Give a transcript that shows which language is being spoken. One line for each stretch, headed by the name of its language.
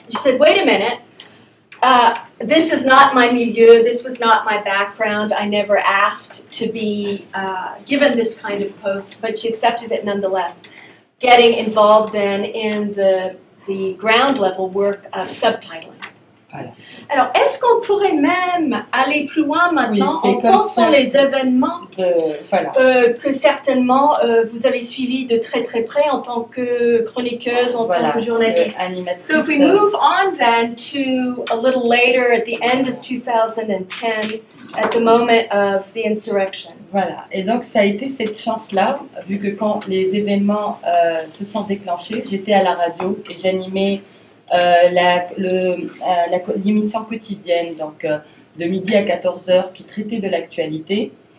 English: She said, wait a minute, this is not my milieu, this was not my background, I never asked to be given this kind of post, but she accepted it nonetheless, getting involved then in the ground level work of subtitling.
French: Voilà. Alors, est-ce qu'on pourrait même aller plus loin maintenant en pensant les événements que certainement vous avez suivis de très très près en tant que chroniqueuse, en tant que journaliste. Animatrice.
English: So if we move on then to a little later at the end of 2010, at the moment of the insurrection.
French: Voilà, et donc ça a été cette chance-là, vu que quand les événements se sont déclenchés, j'étais à la radio et j'animais l'émission quotidienne donc de midi à 14h qui traitait de l'actualité.